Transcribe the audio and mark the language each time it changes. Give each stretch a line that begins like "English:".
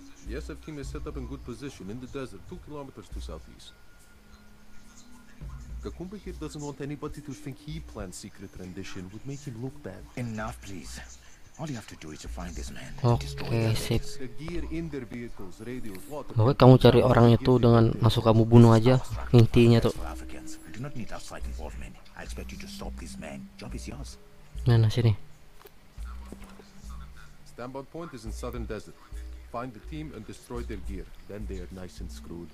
English: The SF team is set up in good position in the desert, 2 kilometers to southeast. Kakumba here doesn't want anybody to think he planned secret rendition, would make him look bad. Enough, please. All you have to do is to find this man. Okay, sip. The gear in their vehicles, radios, water.
Indonesian: Okay, kamu cari orang itu dengan masuk kamu bunuh aja. Intinya tuh.
English: We do not need outside involvement. I expect you to stop this man. Job is yours.
Indonesian: Mana sini?
English: Standby point is in southern desert. Find the team and destroy their gear. Then they are nice and screwed.